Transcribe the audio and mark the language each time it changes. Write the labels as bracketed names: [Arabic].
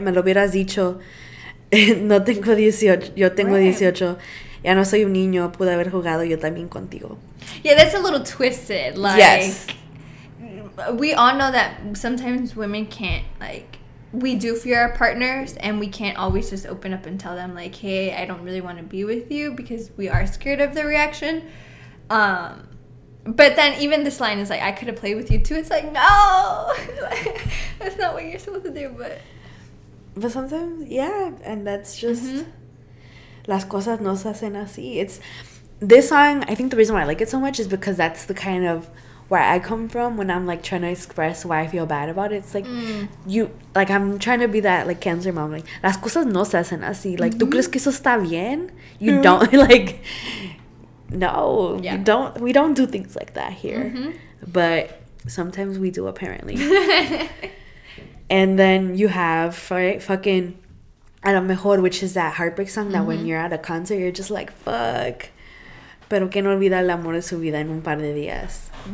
[Spanish] Me lo hubieras dicho, no tengo 18, yo tengo 18. Ya no soy un niño, pude haber jugado yo también contigo. [English] Yeah, that's a little twisted. Like, yes. We all know that sometimes women can't, like, we do fear our partners, and we can't always just open up and tell them, like, hey, I don't really want to be with you, because we are scared of the reaction. But then even this line is like, I could have played with you too. It's like, no, that's not what you're supposed to do. But sometimes, yeah, and that's just, [Spanish] las cosas no se hacen así. [English] It's, this song, I think the reason why I like it so much is because that's the kind of, where I come from, when I'm, like, trying to express why I feel bad about it, it's, like, you, like, I'm trying to be that, like, cancer mom, like, [Spanish] las cosas no se hacen así, [English] like, [Spanish] ¿tú crees que eso está bien? [English] You don't, like, no, we don't do things like that here, but sometimes we do, apparently. And then you have, right, fucking, a lo mejor, which is that heartbreak song that when you're at a concert, you're just like, fuck. [Spanish] Pero que no olvida el amor de su vida en un par de días.